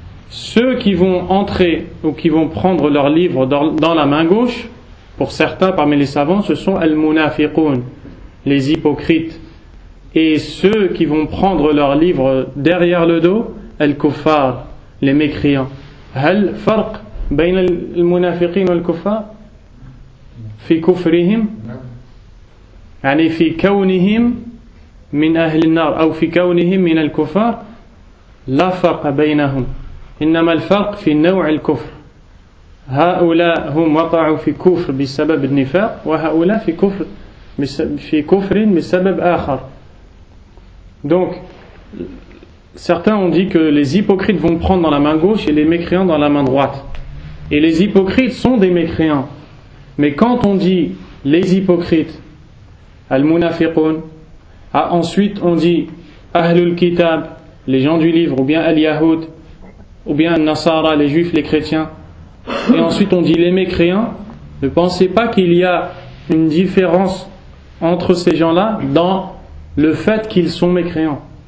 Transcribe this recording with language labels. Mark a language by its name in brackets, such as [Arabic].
[French] Ceux qui vont entrer ou qui vont prendre leur livre dans la main gauche, pour certains parmi les savants, ce sont al-munafiqoun, les hypocrites. Et ceux qui vont prendre leur livre derrière le dos, al-kuffar, les mécréants. [Arabic] Hal farq bayn al-munafiqin wal-kuffar? في كفرهم يعني في كونهم من أهل النار أو في كونهم من الكفار لا فرق بينهم إنما الفرق في نوع الكفر هؤلاء هم وقعوا في كفر بسبب النفاق وهؤلاء في كفر بسبب آخر [French] donc certains ont dit que les hypocrites vont prendre dans la main gauche et les mécréants dans la main droite et les hypocrites sont des mécréants. Mais quand on dit les hypocrites, al-munafiqoun, ensuite on dit ahlul kitab, les gens du livre, ou bien al-yahoud, ou bien al-nasara, les juifs, les chrétiens, et ensuite on dit les mécréants, ne pensez pas qu'il y a une différence entre ces gens-là dans le fait qu'ils sont mécréants.